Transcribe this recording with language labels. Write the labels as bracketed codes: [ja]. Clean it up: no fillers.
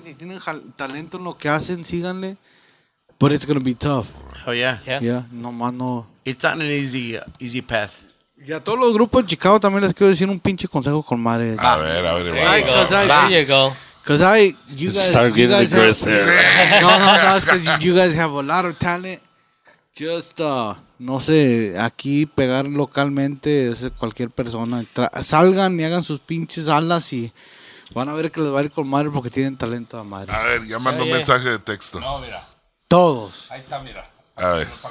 [es] Si tienen talento en lo que hacen, síganle. [en] But it's going to be tough. Oh, yeah. Yeah. No. It's not an easy path. [es] Y a todos los grupos de Chicago también les quiero decir un pinche consejo con madre. A ver. [en] There you go. Because you guys start getting aggressive. No, it's because you guys have a lot of talent. [es] Just, no sé, aquí pegar localmente es cualquier persona. Salgan y hagan sus pinches alas y van a ver que les va a ir con madre porque tienen talento a madre. A ver, ya mando un mensaje de texto. No, mira. Todos. Ahí está, mira. A ver.